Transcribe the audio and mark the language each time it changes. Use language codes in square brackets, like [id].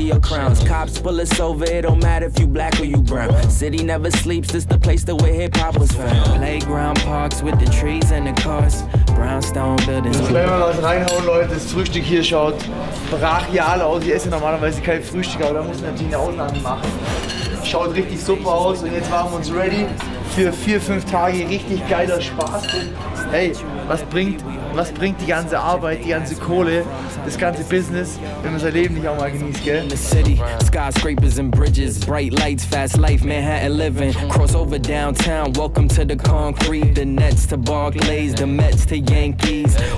[en] Cops pull us over, it don't matter if you black or you brown. City never sleeps, this the place where hip hop was found. Playground parks with the trees and the cars. Brownstone buildings. [de] Jetzt werden wir was reinhauen, Leute. Das Frühstück hier schaut brachial aus. Ich esse normalerweise kein Frühstück, aber da muss ich natürlich eine Ausnahme machen. Schaut richtig super aus und jetzt machen wir uns ready für 4-5 Tage richtig geiler Spaß. Hey, was bringt die ganze Arbeit, die ganze Kohle, das ganze Business, wenn man sein Leben nicht auch mal genießt, gell? [en] In the city, skyscrapers and bridges, bright lights, fast life, Manhattan living. Crossover downtown, welcome to the concrete, the Nets to Barclays, the Mets to Yankees.